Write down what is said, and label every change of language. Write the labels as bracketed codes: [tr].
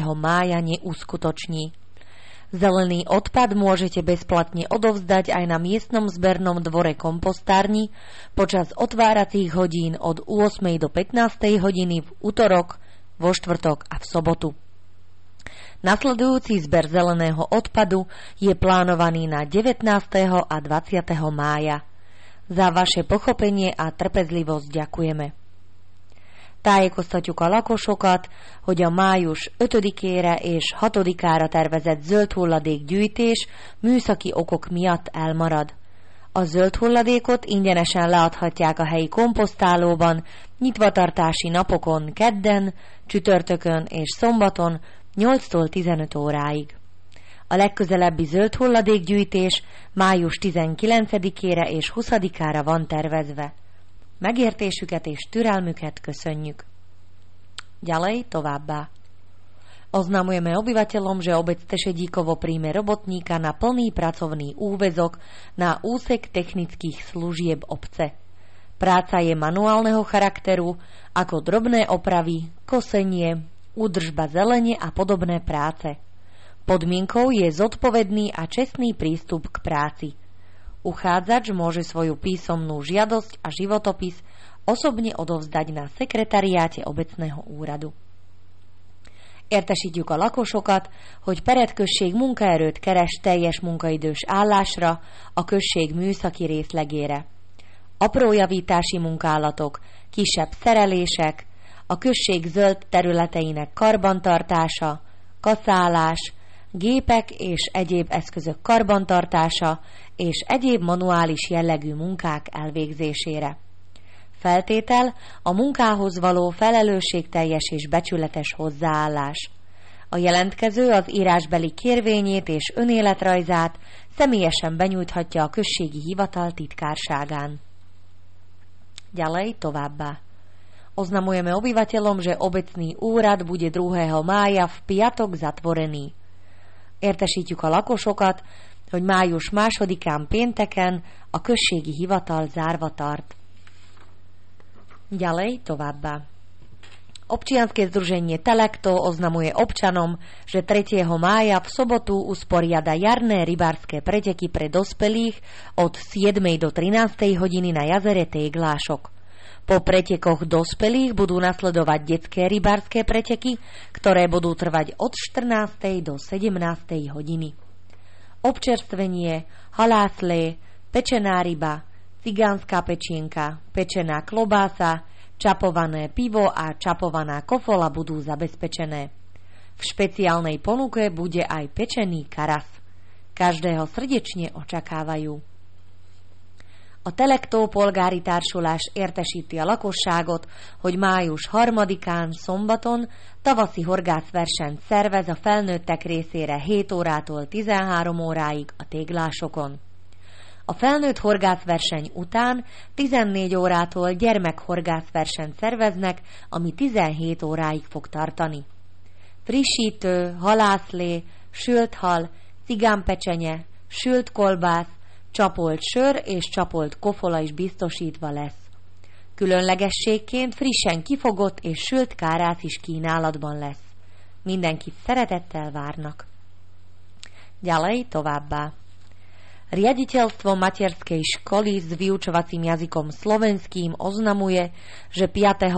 [sk] mája neuskutoční. Zelený odpad môžete bezplatne odovzdať aj na miestnom zbernom dvore kompostárni počas otváracích hodín od 8. do 15. hodiny v utorok, vo štvrtok a v sobotu. Nasledujúci zber zeleného odpadu je plánovaný na 19. a 20. mája. Za vaše pochopenie a trpezlivosť ďakujeme. [hu] Tájko sa ťuka lakosokat, hogyha május 5-ére és 6-ára tervezett zöld hulladék gyűjtés műszaki okok miatt elmarad. A zöld hulladékot ingyenesen leadhatják a helyi komposztálóban nyitvatartási napokon kedden, csütörtökön és szombaton 8-tól 15 óráig. A legközelebbi zöld hulladékgyűjtés május 19-ére és 20-ára van tervezve. Megértésüket és türelmüket köszönjük. [sk] Ďalej [hu] továbbá. [sk] Oznamujeme obyvateľom, že obec Tešedíkovo príjme robotníka na plný pracovný úväzok na úsek technických služieb obce. Práca je manuálneho charakteru, ako drobné opravy, kosenie, údržba zelene a podobné práce. Podmienkou je zodpovedný a čestný prístup k práci. Uchádzač môže svoju písomnú žiadosť a životopis osobne odovzdať na sekretariáte obecného úradu. [hu] Értesítjük a lakosokat, hogy Pered község munkaerőt keres teljes munkaidős állásra a község műszaki részlegére. Apró javítási munkálatok, kisebb szerelések, a község zöld területeinek karbantartása, kaszálás, gépek és egyéb eszközök karbantartása és egyéb manuális jellegű munkák elvégzésére. Feltétel a munkához való felelősségteljes és becsületes hozzáállás. A jelentkező az írásbeli kérvényét és önéletrajzát személyesen benyújthatja a községi hivatal titkárságán. [sk] Ďalej [hu] továbbá. [sk] Oznamujeme obyvateľom, že obecný úrad bude 2. mája v piatok zatvorený. [hu] Értesítjük a lakosokat, hogy május 2-án pénteken a községi hivatal zárva tart. [sk] Ďalej [hu] továbbá. [sk] Občianske združenie Telekto oznamuje občanom, že 3. mája v sobotu usporiada jarné rybárske preteky pre dospelých od 7. do 13. hodiny na jazere Téglások. Po pretekoch dospelých budú nasledovať detské rybárske preteky, ktoré budú trvať od 14. do 17. hodiny. Občerstvenie, halászlé, pečená ryba, cigánska pečienka, pečená klobása, čapované pivo a čapovaná kofola budú zabezpečené. V špeciálnej ponuke bude aj pečený karas. Každého srdečne očakávajú. [hu] A Telektó polgári társulás értesíti a lakosságot, hogy május 3-án szombaton tavaszi horgászversenyt szervez a felnőttek részére 7 órától 13 óráig a téglásokon. A felnőtt horgászverseny után 14 órától gyermekhorgászversenyt szerveznek, ami 17 óráig fog tartani. Frissítő, halászlé, sült hal, cigánpecsenye, sült kolbász, csapolt sör és csapolt kofola is biztosítva lesz. Különlegességként frissen kifogott és sült kárász is kínálatban lesz. Mindenkit szeretettel várnak. [sk] Ďalej [hu] továbbá. [sk] Riaditeľstvo materskej školy s vyučovacím jazykom slovenským oznamuje, že 5.